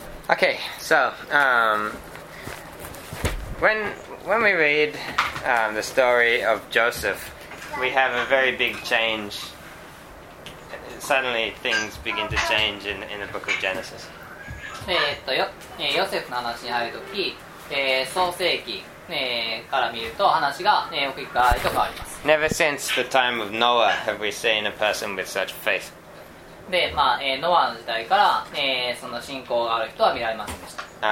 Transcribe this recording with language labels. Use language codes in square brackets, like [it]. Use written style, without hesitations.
[en] Okay, so when we read the story of Joseph, we have a very big change. Suddenly things begin to change in the book of Genesis. [ja] ヨセフの話に入るとき、創世記、から見ると話が、大きく変わります。 [en] Never since the time of Noah have we seen a person with such faith. [ja] で、まあ、ノアの時代から、その信仰がある人は見られませんでした。